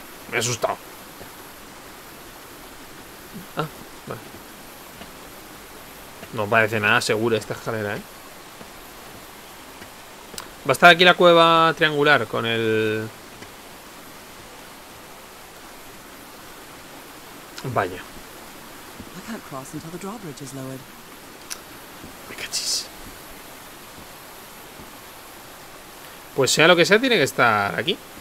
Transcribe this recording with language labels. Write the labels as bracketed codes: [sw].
[es] Me he asustado. Ah, vale. No parece nada segura esta escalera, ¿eh? Va a estar aquí la cueva triangular con el... Vaya. [en] I can't cross until the drawbridge is lowered. [es] Me cachis. Pues sea lo que sea, tiene que estar aquí.